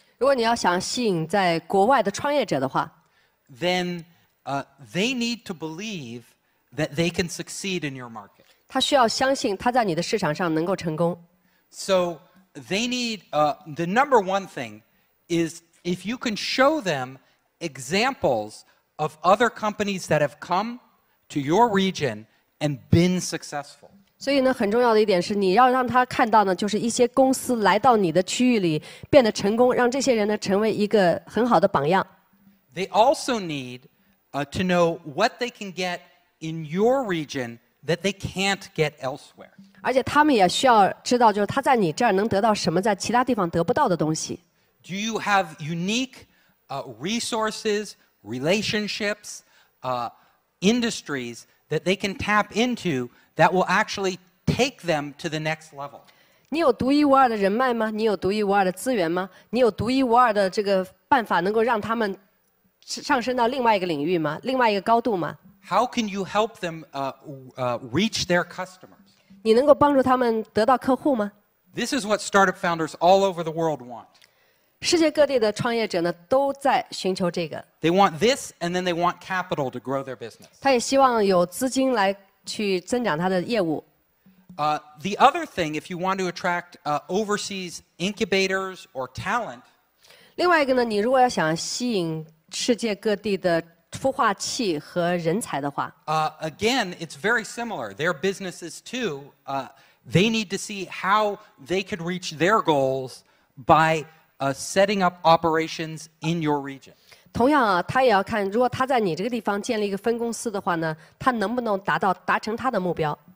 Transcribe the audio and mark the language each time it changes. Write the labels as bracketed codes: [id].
[zh] 如果你要想吸引在国外的创业者的话， [en] then they need to believe that they can succeed in your market. [zh] 他需要相信他在你的市场上能够成功。 [en] So, they need the number one thing is if you can show them examples of other companies that have come to your region and been successful. [zh] 所以呢，很重要的一点是，你要让他看到呢，就是一些公司来到你的区域里变得成功，让这些人呢成为一个很好的榜样。 [en] They also need to know what they can get in your region that they can't get elsewhere. [zh] 而且他们也需要知道，就是他在你这儿能得到什么，在其他地方得不到的东西。 [en] Do you have unique resources, relationships, industries that they can tap into that will actually take them to the next level? [zh] 你有独一无二的人脉吗？你有独一无二的资源吗？你有独一无二的这个办法，能够让他们上升到另外一个领域吗？另外一个高度吗？ [en] How can you help them reach their customers? [zh] 你能够帮助他们得到客户吗？ [en] This is what startup founders all over the world want. [zh] 世界各地的创业者呢，都在寻求这个。 [en] They want this, and then they want capital to grow their business. [zh] 他也希望有资金来去增长他的业务。 [en] The other thing, if you want to attract overseas incubators or talent, [zh] 另外一个呢，你如果要想吸引世界各地的孵化器和人才的话， [en] Again, it's very similar. Their businesses too, they need to see how they could reach their goals by setting up operations in your region. [zh] 同样啊，他也要看，如果他在你这个地方建立一个分公司的话呢，他能不能达成他的目标？